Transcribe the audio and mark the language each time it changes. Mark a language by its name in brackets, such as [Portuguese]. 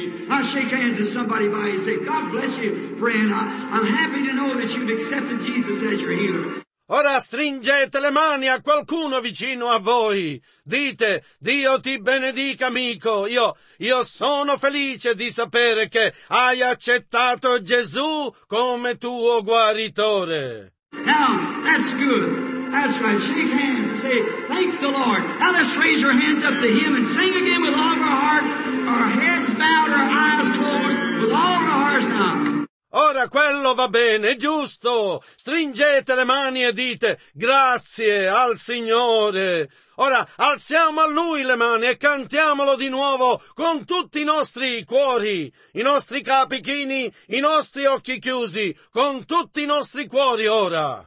[English] I shake hands with somebody by and say, God bless you, friend. I'm happy to know that you've accepted Jesus as your healer. [Italian] Ora stringete le mani a qualcuno vicino a voi. Dite, Dio ti benedica, amico. Io sono felice di sapere che hai accettato Gesù come tuo guaritore. [English] Now, that's good. That's right. Shake hands and say, thank the Lord. Now let's raise your hands up to Him and sing again with all of our hearts. Our heads bowed, our eyes closed, with all of our hearts now. [Italian] Ora quello va bene, giusto. Stringete le mani e dite grazie al Signore. Ora alziamo a Lui le mani e cantiamolo di nuovo con tutti i nostri cuori, i nostri capi chini, i nostri occhi chiusi, con tutti i nostri cuori ora.